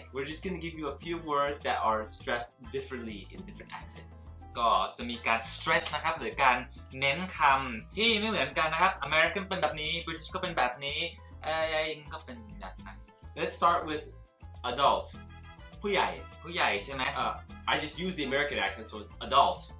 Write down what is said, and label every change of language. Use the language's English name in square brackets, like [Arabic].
[English] we're just gonna give you a few words that are stressed differently in different accents [Thai] ก็จะมีการ stress นะครับหรือการเน้นคำที่ไม่เหมือนกันนะครับ American เป็นแบบนี้ British ก็เป็นแบบนี้เองก็เป็นแบบนั้น [English] let's start with adult [Thai] ผู้ใหญ่ผู้ใหญ่ใช่ไหม [English] I just use the American accent so it's adult